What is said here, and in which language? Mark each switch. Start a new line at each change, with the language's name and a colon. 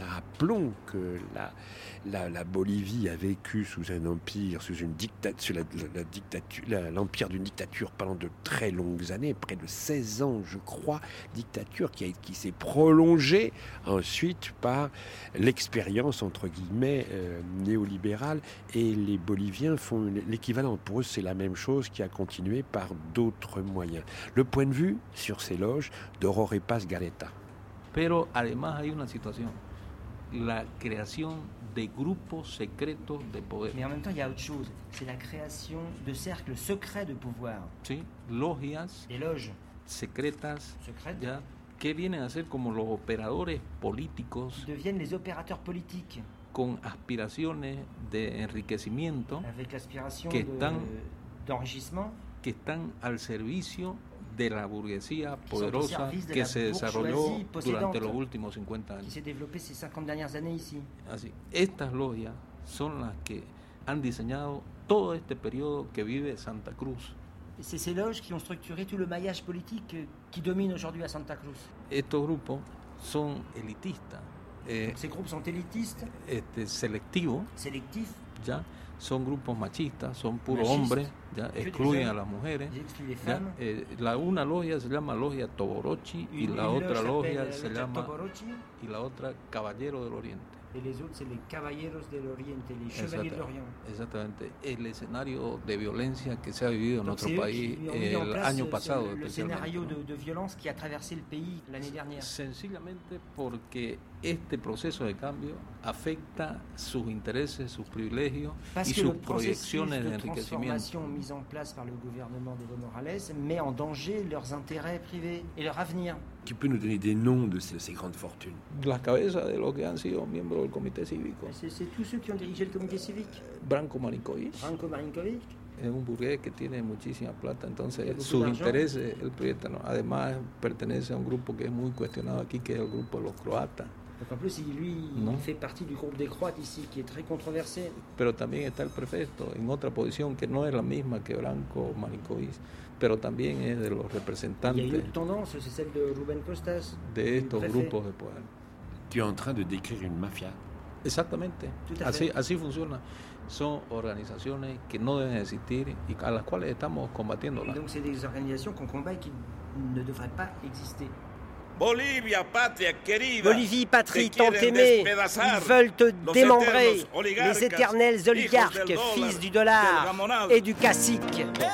French: Rappelons que la Bolivie a vécu sous un empire, sous une dictature, sous la dictature, l'empire d'une dictature pendant de très longues années, près de 16 ans, je crois, dictature qui s'est prolongée ensuite par l'expérience, entre guillemets, néolibérale. Et les Boliviens font l'équivalent. Pour eux, c'est la même chose qui a continué par d'autres moyens. Le point de vue sur ces loges de Jorge Paz Garreta.
Spanish: Pero además hay una situación, la creación de grupos secretos de poder.
French: Mais en même temps, il y a autre chose, c'est la création de cercles secrets de pouvoir.
Spanish: Sí, logias.
French: Des loges.
Spanish: Secretas.
French: Secrètes.
Spanish: Ya, que vienen a ser como los operadores políticos.
French: Deviennent les opérateurs politiques.
Spanish: Con aspiraciones de enriquecimiento.
French: Avec l'aspiration d'enrichissement.
Spanish: Que están al servicio de la burguesía poderosa que se desarrolló durante los últimos 50 años.
French: Qui s'est développé ces 50 dernières années ici.
Spanish: Así, estas logias son las que han diseñado todo este periodo que vive Santa Cruz.
French: C'est ces loges qui ont structuré tout le maillage politique qui domine aujourd'hui à Santa Cruz.
Spanish: Estos grupos son elitistas.
French: Ces groupes sont élitistes.
Spanish: Selectivos. Ya. Son grupos machistas, son puros hombres, ya, excluyen a las mujeres. Ya, una logia se llama Logia Toborochi y la otra logia se llama y la otra Caballero del Oriente. Y los otros son los Caballeros del Oriente, los Chevaliers del Oriente. Exactamente. El escenario de violencia que se ha vivido en nuestro país el año pasado. El escenario de violencia que ha atravesado el país el año pasado. Sencillamente porque este proceso de cambio afecta sus intereses, sus privilegios
French: Parce
Spanish: y sus proyecciones de enriquecimiento. La transformación
French: mise en place par le gouvernement de Evo Morales met en danger leurs intérêts privés et leur avenir. Tu peux nous donner des noms de ces grandes fortunes?
Spanish: La cabeza de los que han sido miembros del comité cívico.
French: C'est tous ceux qui ont dirigé le comité civique. Branko Marinković. Branko Marinković.
Spanish: Es un burgués que tiene muchísima plata, entonces sus intereses, el proyecto, ¿no? Además pertenece a un grupo que es muy cuestionado aquí, que es el grupo de los croatas.
French: En plus, lui, ¿no? Il fait partie du groupe des Croates ici, qui est très controversé.
Spanish: Pero también está el prefecto, en otra posición que no es la misma que Branko Marinković, pero también es de los representantes. Y hay otra tendencia,
French: c'est celle de
Spanish: Rubén Costas. De estos grupos de poder.
French: Tu es en train de décrire une mafia.
Spanish: Exactamente. Así funciona. Son organizaciones que no deben existir y a las cuales estamos combatiendo.
French: Donc c'est des organisations qu'on combat et qui ne devraient pas exister.
Spanish: Bolivia, patria querida.
French: Bolivie, patrie tant aimée. Ils veulent te démembrer. Les éternels oligarques, fils du dollar et du cacique.